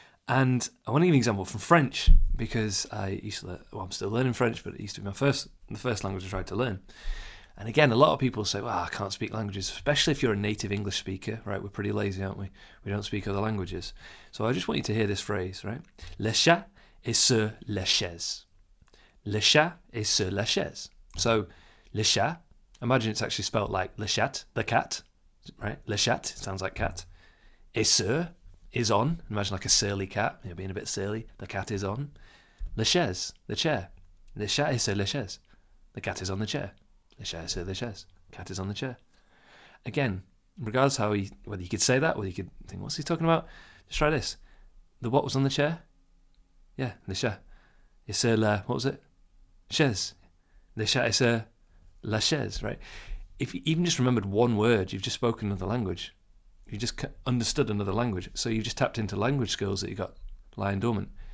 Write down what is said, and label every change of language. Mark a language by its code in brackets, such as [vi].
[en] And I want to give an example from French because I used to learn, well, I'm still learning French, but it used to be the first language I tried to learn. And again, a lot of people say, well, I can't speak languages, especially if you're a native English speaker, right? We're pretty lazy, aren't we? We don't speak other languages. So I just want you to hear this phrase, right? [fr] Le chat est sur la chaise. Le chat est sur la chaise. [en] So le chat, imagine it's actually spelled like le chat, the cat, right? Le chat sounds like cat. Est sur is on. Imagine like a surly cat, you know, being a bit surly. The cat is on. Le chaise, the chair. [fr] Le chat est sur la chaise. [en] The cat is on the chair. [fr] Le chat est sur la chaise. [en] Cat is on the chair. Again, regardless how whether you could say that, whether you could think, what's he talking about? Just try this. The what was on the chair? [fr] Yeah, le chat. Et sur la, [en] what was it? [fr] Chaise. Le chat est sur la chaise, [en] right? If you even just remembered one word, you've just spoken another language. You just understood another language. So you just tapped into language skills that you got lying dormant.